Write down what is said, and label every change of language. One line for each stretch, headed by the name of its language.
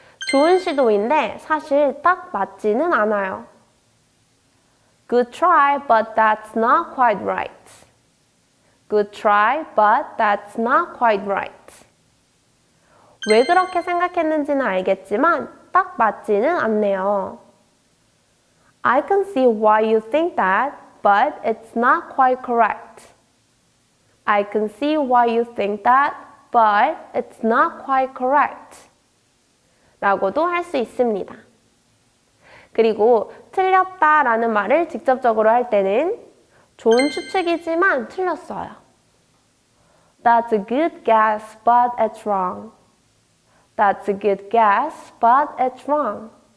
Korean: 좋은 시도인데 사실 딱 맞지는 않아요.
English: Good try, but that's not quite right. Good try, but that's not quite right.
Korean: 왜 그렇게 생각했는지는 알겠지만 딱 맞지는 않네요.
English: I can see why you think that, but it's not quite correct. I can see why you think that, but it's not quite correct.
Korean: 라고도 할 수 있습니다. 그리고 틀렸다 라는 말을 직접적으로 할 때는 좋은 추측이지만 틀렸어요.
English: That's a good guess, but it's wrong. That's a good guess, but it's wrong.